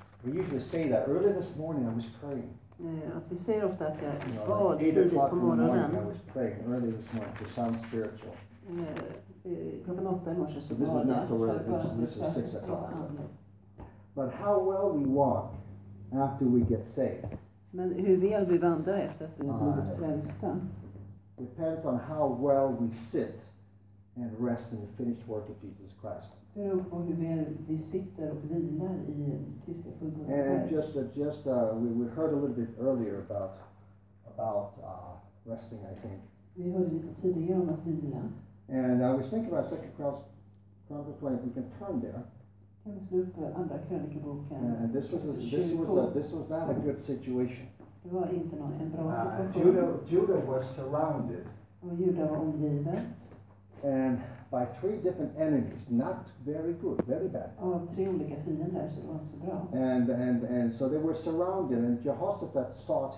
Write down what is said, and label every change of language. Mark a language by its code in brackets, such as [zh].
[en] We usually say that early this morning I was praying. [sv] Att vi säger ofta att jag bad tidigt på morgonen. [en] I was praying early this morning to sound spiritual. [sv] Klockan åtta i morse så bad jag. [en] This was 6 o'clock. But how well we walk. After we get saved. [sv] Men hur väl vi vandrar efter att vi har blivit frälsta. [en] Depends on how well we sit and rest in the finished work of Jesus Christ. [sv] Hur väl vi sitter och vilar i Kristi fullbordade verk. [en] And we heard a little bit earlier about resting, I think. [sv] Vi hörde lite tidigare om att vila. [en] And I was thinking about 2 Chronicles 20, if we can turn there. And this was not a good situation. [sv] Det var inte en bra situation. [en] Judah was surrounded. [sv] Och Judah var omgivet. [en] And by three different enemies, not very good, very bad. [sv] Av tre olika fiender, så det var inte så bra. [en] And so they were surrounded, and Jehoshaphat sought.